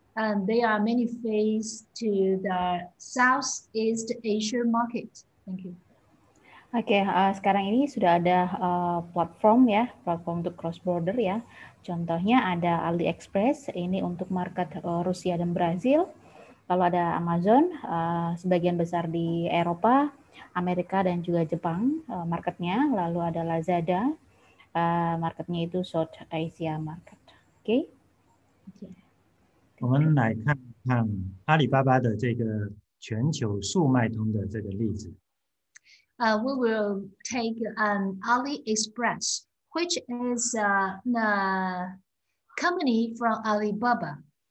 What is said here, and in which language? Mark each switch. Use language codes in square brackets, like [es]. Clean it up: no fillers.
[en] And they are many face to the Southeast Asia market. Thank you. [id] Okay, sekarang ini sudah ada platform ya, platform untuk cross-border ya. Contohnya ada AliExpress, ini untuk market Rusia dan Brazil. Lalu ada Amazon, sebagian besar di Eropa, Amerika dan juga Jepang marketnya, lalu ada Lazada marketnya itu [en] South Asia market. [id] Oke. [zh] Okay? 我们来看看阿里巴巴的这个全球速卖通的这个例子。 [en] We will take AliExpress, which is a company from Alibaba.